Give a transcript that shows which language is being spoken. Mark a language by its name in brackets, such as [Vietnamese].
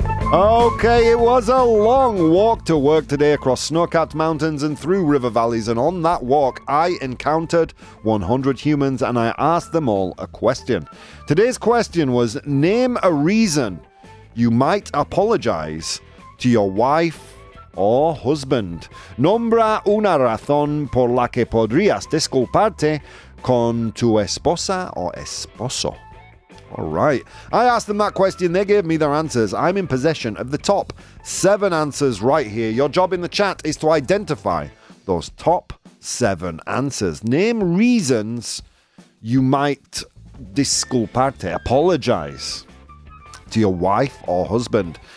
[English] Okay, it was a long walk to work today across snow-capped mountains and through river valleys. And on that walk, I encountered 100 humans and I asked them all a question. Today's question was, name a reason you might apologize to your wife or husband. [Spanish] Nombra una razón por la que podrías disculparte con tu esposa o esposo. [English] All right. I asked them that question. They gave me their answers. I'm in possession of the top 7 answers right here. Your job in the chat is to identify those top 7 answers. Name reasons you might [Spanish] disculparte, [English] apologize to your wife or husband.